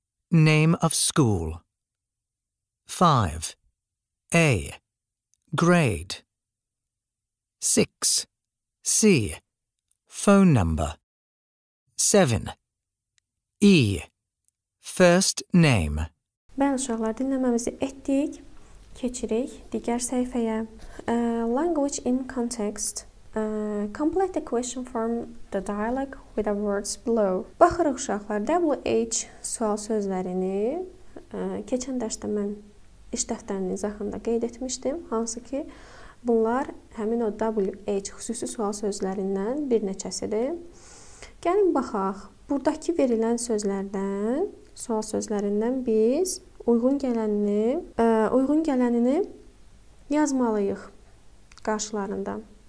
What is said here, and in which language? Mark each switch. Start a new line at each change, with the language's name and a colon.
English: Name of school. 5. A. Grade. 6. C. Phone number. 7. E. First name.
Azerbaijani: Bəli uşaqlar, dinləməmizi etdik. Keçirik digər səhifəyə.
English: Language in context. Complete the question from the dialogue with the words below.
Azerbaijani: Baxırıq uşaqlar, WH sual sözlərini keçən dərsdə mən işlətlərin izahında qeyd etmişdim. Hansı ki, bunlar həmin o WH xüsusi sual sözlərindən bir neçəsidir. Gəlin, baxaq. Buradakı verilən sözlərdən, sual sözlərindən biz uyğun gələnini yazmalıyıq qarşılarında.